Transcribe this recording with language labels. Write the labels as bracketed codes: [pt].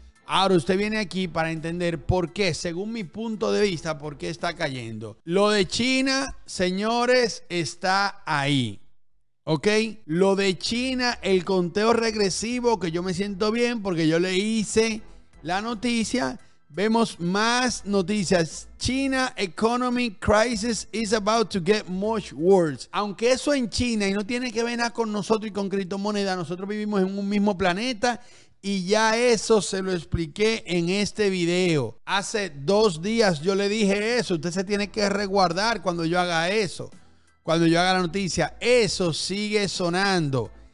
[es] Ahora usted viene aquí para entender por qué, según mi punto de vista, por qué está cayendo. Lo de China, señores, está ahí. ¿Ok? Lo de China, el conteo regresivo, que yo me siento bien porque yo le hice la noticia. Vemos más noticias. [en] China economy crisis is about to get much worse. [es] Aunque eso en China y no tiene que ver nada con nosotros y con criptomoneda, nosotros vivimos en un mismo planeta. Y ya eso se lo expliqué en este video. Hace 2 días yo le dije eso. Usted se tiene que resguardar cuando yo haga eso. Cuando yo haga la noticia. Eso sigue sonando.